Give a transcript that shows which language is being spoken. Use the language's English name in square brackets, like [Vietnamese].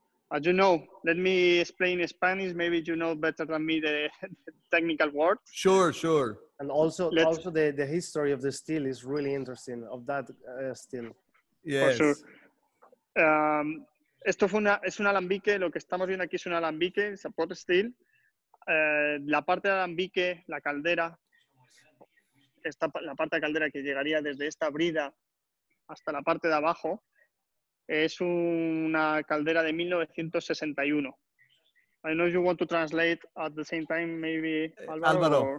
[English] As you know, let me explain in Spanish. Maybe you know better than me the technical word. Sure, sure. And also, the history of the still is really interesting, of that still. Yes. For sure. [Spanish] Esto fue una, es un alambique. Lo que estamos viendo aquí es un alambique. [English] It's a pot still. [Spanish] La parte de alambique, la caldera, esta, la parte de caldera que llegaría desde esta brida hasta la parte de abajo, es una caldera de 1961. [English] I know you want to translate at the same time, maybe, Álvaro.